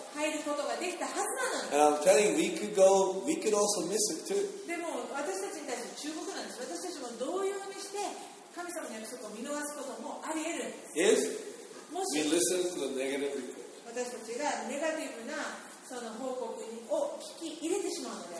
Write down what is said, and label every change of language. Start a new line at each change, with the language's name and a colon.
Japanese: 入ることができたはずなのに。
English: And I'm telling you, we could also miss it too.
Japanese: でも私たちに対して注目なんです。私たちも同様にして神様の約束を見逃すこともあり得るんです。
English: If
Japanese: もし
English: we listen to the negative report.
Japanese: 私たちがネガティブなその報告を聞き入れてしまうので。